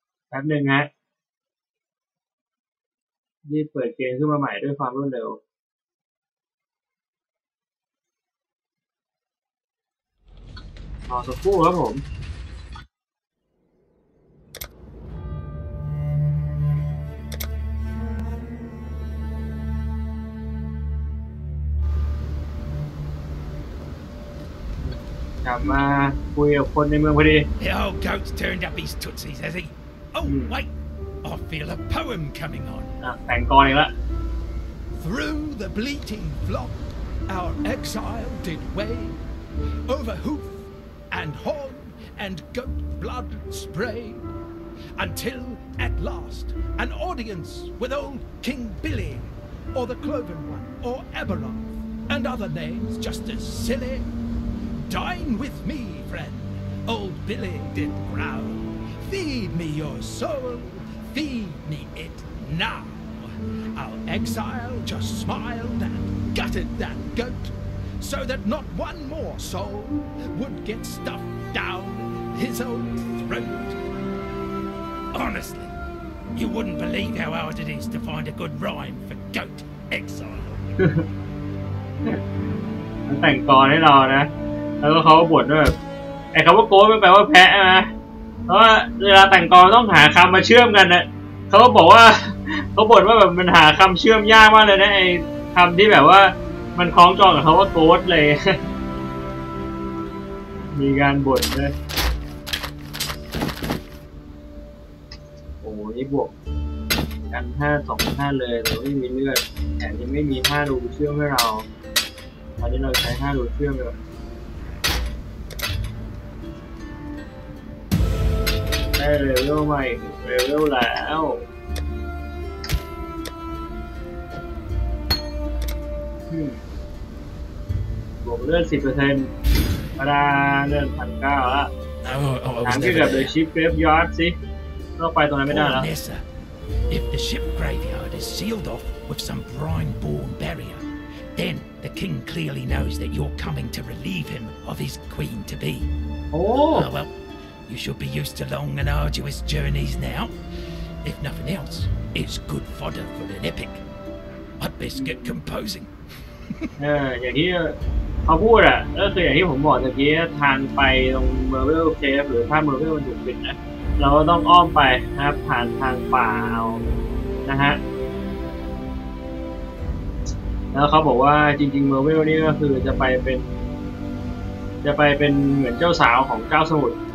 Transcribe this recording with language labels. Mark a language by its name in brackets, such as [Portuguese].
[Thai] ป๊บหนึ่งฮะรีบเปิดเกมขึ้นมาใหม่ด้วยความรวดเร็วรอสักครู่ครับผมกลับมาคุยกับคนในเมืองพอดี [English] The old goat's turned up his tootsies, has he? Oh, wait! I feel a poem coming on. [Thai] แต่งกลอนอีกละ [English] Through the bleating flock, our exile did wave. Over hoof and horn and goat blood spray. Until, at last, an audience with old King Billy, or the Cloven One, or Eberron, and other names just as sillyDine with me, friend, old Billy did growl. Feed me your soul, feed me it now. Our exile just smiled and gutted that goat, so that not one more soul would get stuffed down his old throat. Honestly, you wouldn't believe how hard it is to find a good rhyme for goat exile. Thank God, I know that. [Thai] แล้วเขาก็บ่นด้วยไอ้คำว่าโก้ไม่แปลว่าแพ้นะเพราะว่าเวลาแต่งกลอนต้องหาคำมาเชื่อมกันนะเขาก็บอกว่าเขาบ่นว่าแบบมันหาคำเชื่อมยากมากเลยนะไอ้คำที่แบบว่ามันคล้องจองกับคำว่าโก้เลยมีการบ่นด้วยโอ้โหนี่บวกกัน5 2 5เลยแต่ไม่มีเลือดแถมยังไม่มี5รูเชื่อมให้เราตอนนี้เราใช้5รูเชื่อมแล้ว ได้เลเวลใหม่เลเวลแล้วบวกเลือด 10% ประดาเลือด 1,900 แล้วถามเกี่ยวกับชิปเกรฟยาร์ดสิต้องไปตรงนั้นไม่ได้แล้ว [English] Oh, Nessa, if the ship graveyard is sealed off with some brine-born barrier then the king clearly knows that you're coming to relieve him of his queen-to-be Oh, well, You should be used to long and arduous journeys now. If nothing else, it's good fodder for an epic. I'd best get composing. [Thai] อย่างที่เขาพูดอ่ะก็คืออย่างที่ผมบอกเมื่อกี้ทางไปตรง Marvel Cave หรือถ้า Marvel มันถูกปิดนะเราก็ต้องอ้อมไปนะครับผ่านทางป่านะฮะแล้วเขาบอกว่าจริงๆ Marvel นี่ก็คือจะไปเป็นเหมือนเจ้าสาวของเจ้าสมุทร